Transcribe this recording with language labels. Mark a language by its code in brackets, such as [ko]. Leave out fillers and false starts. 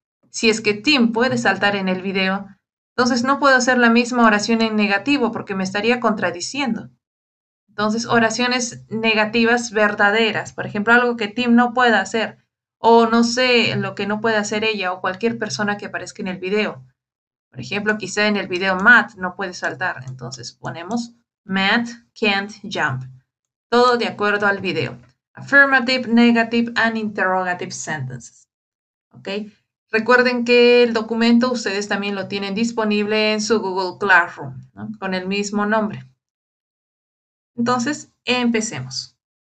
[es] Si es que Tim puede saltar en el video, entonces no puedo hacer la misma oración en negativo porque me estaría contradiciendo. Entonces, oraciones negativas verdaderas. Por ejemplo, algo que Tim no pueda hacer. O no sé lo que no puede hacer ella o cualquier persona que aparezca en el video. Por ejemplo, quizá en el video Matt no puede saltar. Entonces ponemos [en] Matt can't jump. [es] Todo de acuerdo al video. [en] Affirmative, negative and interrogative sentences. [es] ¿Okay? Recuerden que el documento ustedes también lo tienen disponible en su Google Classroom, ¿no? Con el mismo nombre. Entonces, empecemos.